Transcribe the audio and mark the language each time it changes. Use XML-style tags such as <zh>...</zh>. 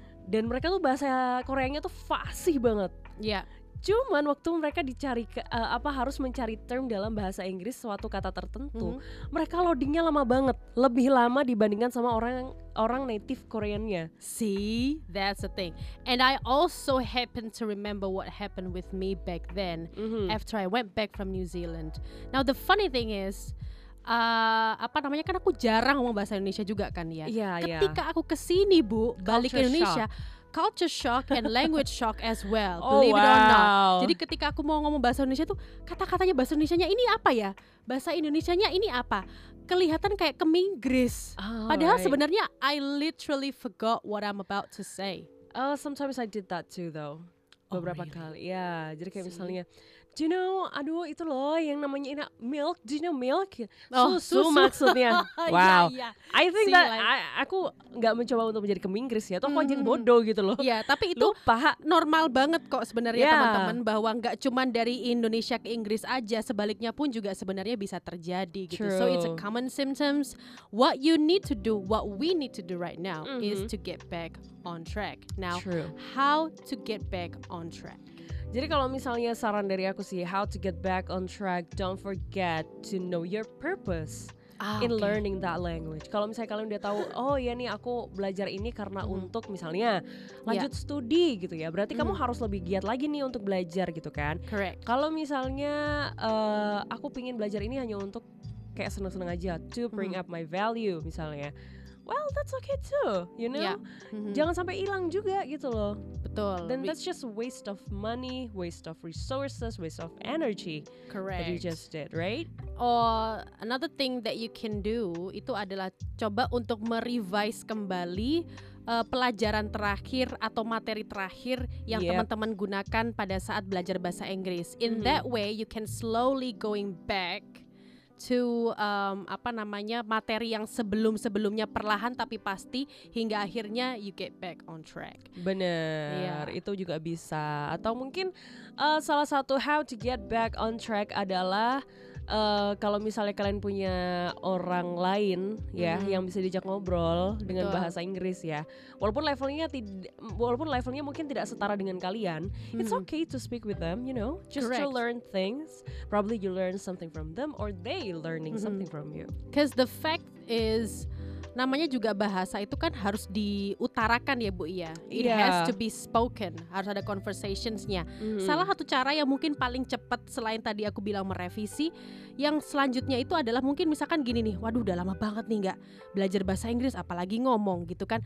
<id>Dan mereka tuh bahasa Koreanya tuh fasih banget. Cuman waktu mereka dicari harus mencari term dalam bahasa Inggris suatu kata tertentu, mereka loadingnya lama banget, lebih lama dibandingkan sama orang native Koreannya.</id> <en>See, that's the thing. And I also happen to remember what happened with me back then after I went back from New Zealand. Now the funny thing is</en> <id>kan aku jarang ngomong bahasa Indonesia juga kan ya. Ketika aku kesini, Bu, balik ke Indonesia,</id> <en>culture shock and language shock as well, believe it or not.</en> <id>Jadi ketika aku mau ngomong bahasa Indonesia tuh, kata-katanya bahasa Indonesianya ini apa ya? Bahasa Indonesianya ini apa? Kelihatan kayak keminggris. Padahal sebenarnya</id> <en>I literally forgot what I'm about to say. Sometimes I did that too though.</en> <id>Beberapa kali. Ya, jadi kayak misalnya,</id> <en>do you know,</en> <id>aduh itu loh yang namanya ini</id> <en>milk, do you know milk?</en> <id>Susu maksudnya. Wow.</id> <en>I think that</en> <id>aku enggak mencoba untuk menjadi keminggris ya. Toh aku aja bodoh gitu loh. Iya, tapi itu lupa. Normal banget kok sebenarnya teman-teman, bahwa enggak cuman dari Indonesia ke Inggris aja, sebaliknya pun juga sebenarnya bisa terjadi gitu.</id> <en>True. So it's a common symptoms. What you need to do, what we need to do right now is to get back on track. Now, how to get back on track?</en> <id>Jadi kalau misalnya saran dari aku sih,</id> <en>how to get back on track, don't forget to know your purpose in learning that language.</en> <id>Kalau misalnya kalian udah tahu, oh iya nih aku belajar ini karena untuk misalnya lanjut studi gitu ya, berarti kamu harus lebih giat lagi nih untuk belajar gitu kan.</id> <en>Correct.</en> <id>Kalau misalnya aku pingin belajar ini hanya untuk kayak seneng-seneng aja,</id> <en>to bring up my value</en> <id>misalnya,</id> <en>well that's okay too, you know.</en> <id>Jangan sampai hilang juga gitu loh. Betul.</id> <en>Then that's just waste of money, waste of resources, waste of energy. Correct. That you just did, right? Or another thing that you can do</en> <id>itu adalah coba untuk merevise kembali pelajaran terakhir atau materi terakhir yang teman-teman gunakan pada saat belajar bahasa Inggris.</id> <en>In that way, you can slowly going back to</en> <id>apa namanya materi yang sebelum-sebelumnya perlahan tapi pasti hingga akhirnya</id> <en>you get back on track.</en> <id>Bener, itu juga bisa. Atau mungkin salah satu how to get back on track adalah kalau misalnya kalian punya orang lain ya yang bisa diajak ngobrol dengan bahasa Inggris ya, walaupun levelnya walaupun levelnya mungkin tidak setara dengan kalian,</id> <en>it's okay to speak with them, you know, just to learn things. Probably you learn something from them or they learning something from you. Because the fact is,</en> <id>namanya juga bahasa itu kan harus diutarakan ya Bu Iya.</id> <en>It has to be spoken.</en> <id>Harus ada conversations-nya. Salah satu cara yang mungkin paling cepat selain tadi aku bilang merevisi, yang selanjutnya itu adalah mungkin misalkan gini nih, waduh udah lama banget nih gak belajar bahasa Inggris apalagi ngomong gitu kan.</id>